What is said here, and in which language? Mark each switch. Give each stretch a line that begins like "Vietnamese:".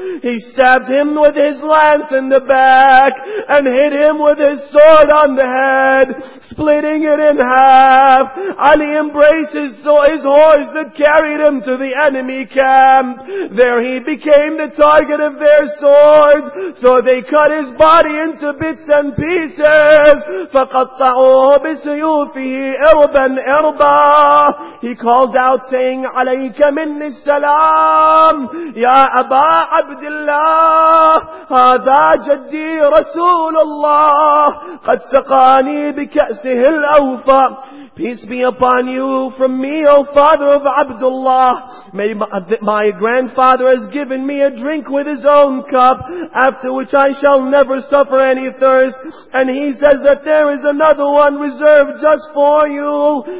English: He stabbed him with his lance in the back and hit him with his sword on the head, splitting it in half. Ali embraces his horse that carried him to the enemy camp. There he became the target of their swords, so they cut his body into bits and pieces.
Arabic: فَقَطَّعُوهُ بِسْيُوفِهِ إِرْبًا إِرْبًا.
English: He called out saying,
Arabic: عَلَيْكَ مِنِّي السَّلَامِ يَا أَبَا عَبْدِ اللَّهِ هَذَا جَدِّي رَسُولُ اللَّهِ قَدْ سَقَانِي بِكَأْسِهِ الْأَوْفَى.
English: Peace be upon you from me, O father of Abdullah. May my grandfather has given me a drink with his own cup, after which I shall never suffer any thirst. And he says that there is another one reserved just for you.